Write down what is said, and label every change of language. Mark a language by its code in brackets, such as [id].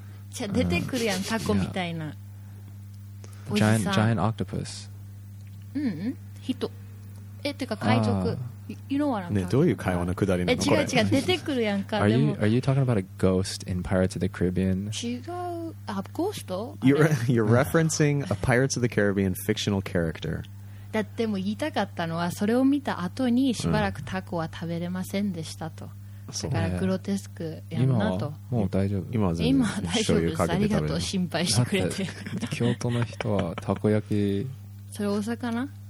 [ja] じゃ、出てくるやん、タコみたいな。 [en] Giant octopus. [ja] うん、人。え、てか海賊。 [en] You know what I'm talking about. [ja] ね、どういう会話のくだりなのこれ。え、違う、出てくるやんか。 [en] Are you talking about a ghost in Pirates of the Caribbean? [ja] 違う。あ、ゴースト？ [en] You're referencing a Pirates of the Caribbean fictional character. [ja] だっても言いたかったのはそれを見た後にしばらくタコは食べれませんでしたと、だからグロテスクやんなと。もう大丈夫、今は全然醤油かけて食べる。ありがとう、心配してくれ て京都の人はタコ焼き、それ大阪な、